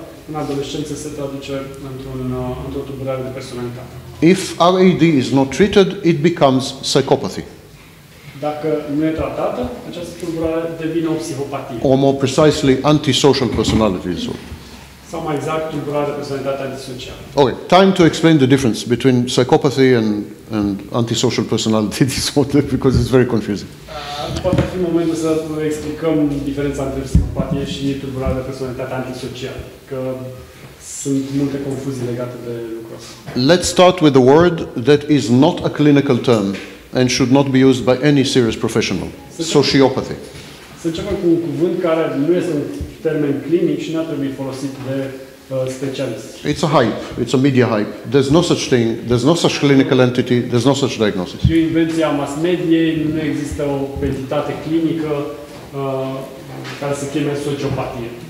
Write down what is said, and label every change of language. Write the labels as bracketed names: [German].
[Romanian] În adolescență se traduce într-o tulburare de personalitate. [English] If RAD is not treated, it becomes psychopathy. [Romanian] Dacă nu e tratată, această tulburare devine o psihopatie. [English] Or more precisely, antisocial personality disorder. [Romanian] Sau mai exact, tulburare de personalitate antisocială. [English] Okay, time to explain the difference between psychopathy and antisocial personality disorder, because it's very confusing. [Romanian] Poate fi momentul să explicăm diferența între psihopatie și tulburare de personalitate antisocială, că sunt multe confuzii legate de lucrul ăsta. [English] Let's start with a word that is not a clinical term and should not be used by any serious professional. Sociopathy. [Romanian] Să începem cu un cuvânt care nu este un termen clinic și nu ar trebui folosit de specialist. [English] It's a hype. It's a media hype. There's no such thing. There's no such clinical entity. There's no such diagnosis. [Romanian] E o invenție a mass mediei. Nu există o entitate clinică care se cheme sociopatie.